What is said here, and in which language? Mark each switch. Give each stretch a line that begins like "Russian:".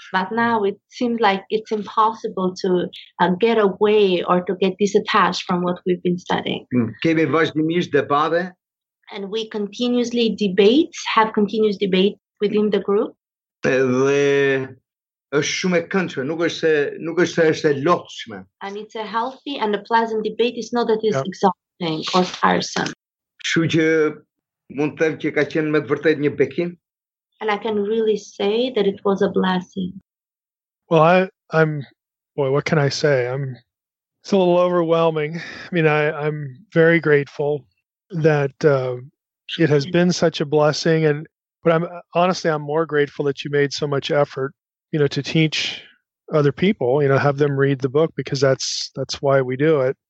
English: But now it seems like it's impossible to get away or to get disattached from what we've been studying.
Albanian: Kemi vazhdimisht debate.
English: And we continuously have continuous debates within the group.
Albanian: Dhe është shumë e këndshme, nuk është se është e lotshme.
English: And it's a healthy and a pleasant debate. It's not that it's exhausting or tiresome.
Albanian: Kështu që mund të them që ka qenë me të vërtetë një bekim.
English: And I can really say that it was a blessing. Well, I'm what can I say? It's a little overwhelming. I mean, I'm very grateful that it has been such a blessing. And but I'm more grateful that you made so much effort, you know, to teach other people, you know, have them read the book, because that's why we do it.